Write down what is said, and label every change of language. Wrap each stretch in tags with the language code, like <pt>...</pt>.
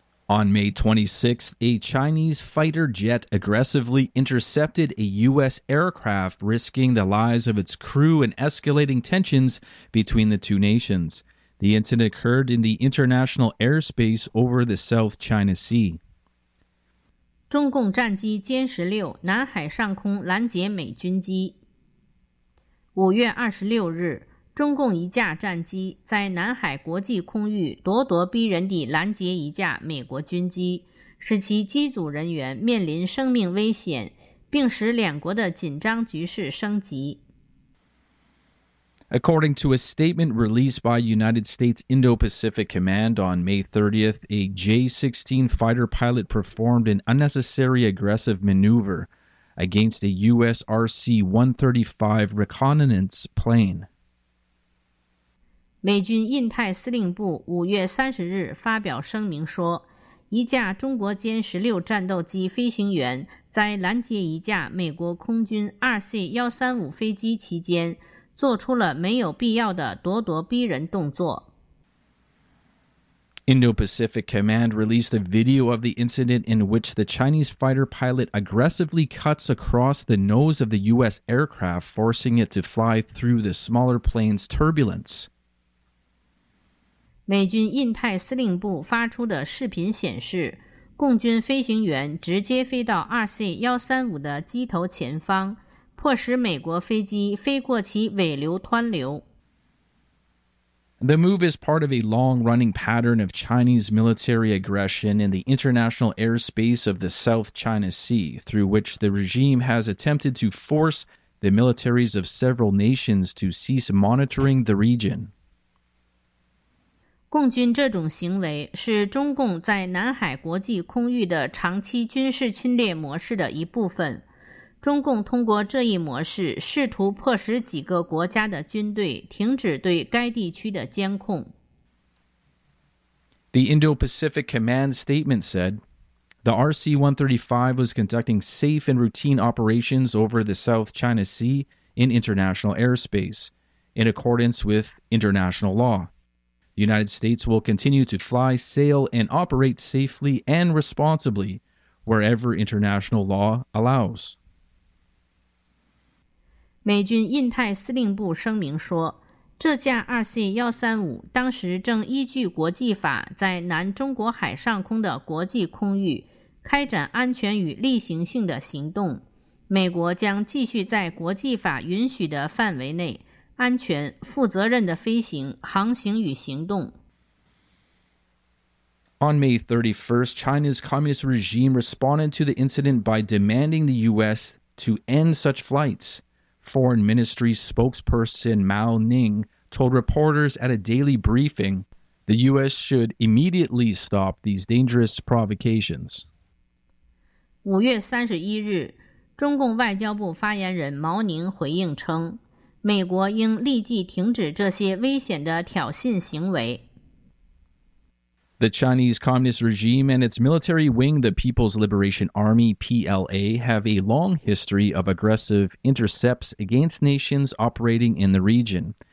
<en>On May 26th, a Chinese fighter jet aggressively intercepted a U.S. aircraft, risking the lives of its crew and escalating tensions between the two nations. The incident occurred in the international airspace over the South China Sea.</en> <zh>中共战机歼16南海上空拦截美军机。 5月26日，中共一架战机在南海国际空域咄咄逼人地拦截一架美国军机，使其机组人员面临生命危险，并使两国的紧张局势升级。</zh> <en>According to a statement released by United States Indo-Pacific Command on May 30th, a J-16 fighter pilot performed an unnecessary aggressive maneuver against a U.S. RC-135 reconnaissance plane.</en> <zh>美军印太司令部5月30日发表声明说，一架中国歼16战斗机飞行员在拦截一架美国空军 RC-135 飞机期间做出了没有必要的咄咄逼人动作。</zh> <en>Indo-Pacific Command released a video of the incident in which the Chinese fighter pilot aggressively cuts across the nose of the U.S. aircraft, forcing it to fly through the smaller plane's turbulence.</en> <zh>美军印太司令部发出的视频显示，共军飞行员直接飞到 RC-135 的机头前方，迫使美国飞机飞过其尾流湍流。</zh> <en>The move is part of a long-running pattern of Chinese military aggression in the international airspace of the South China Sea, through which the regime has attempted to force the militaries of several nations to cease monitoring the region.</en> <zh>共军这种行为是中共在南海国际空域的长期军事侵略模式的一部分。中共通过这一模式试图迫使几个国家的军队停止对该地区的监控。</zh> <en>The Indo-Pacific Command statement said, the RC-135 was conducting safe and routine operations over the South China Sea in international airspace, in accordance with international law. The United States will continue to fly, sail, and operate safely and responsibly wherever international law allows.</en> <zh>美军印太司令部声明说，这架 RC-135 当时正依据国际法在南中国海上空的国际空域开展安全与例行性的行动，美国将继续在国际法允许的范围内安全负责任的飞行、航行与行动。</zh> <en>On May 31st, China's communist regime responded to the incident by demanding the U.S. to end such flights. Foreign Ministry spokesperson Mao Ning told reporters at a daily briefing, the U.S. should immediately stop these dangerous provocations.</en> <zh>5月31日，中共外交部发言人毛宁回应称，美国应立即停止这些危险的挑衅行为。</zh> <en>The Chinese Communist regime and its military wing, the People's Liberation Army, PLA, have a long history of aggressive intercepts against nations operating in the region.</en>